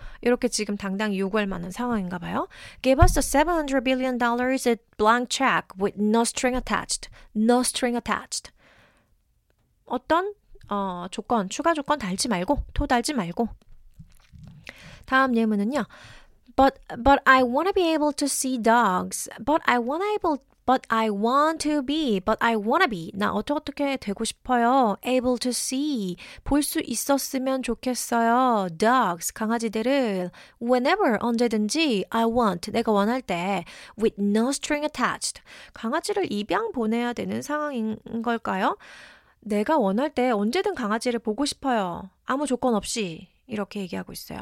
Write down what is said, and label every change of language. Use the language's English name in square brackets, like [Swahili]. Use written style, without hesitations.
[Korean] 이렇게 지금 당당히 요구할 만한 상황인가 봐요. [English] Give us a $700 billion blank check with no string attached. No string attached. [Korean] 어떤 조건, 추가 조건 달지 말고, 토 달지 말고. 다음 예문은요. [English] But I want to be able to see dogs. But I want able but I want to be. But I want to be. [Korean] 나 어떻게 되고 싶어요? [English] able to see. [Korean] 볼 수 있었으면 좋겠어요. [English] dogs. [Korean] 강아지들을 [English] whenever [Korean] 언제든지 [English] I want. [Korean] 내가 원할 때 [English] with no string attached. [Korean] 강아지를 입양 보내야 되는 상황인 걸까요? 내가 원할 때 언제든 강아지를 보고 싶어요. 아무 조건 없이. 이렇게 얘기하고 있어요.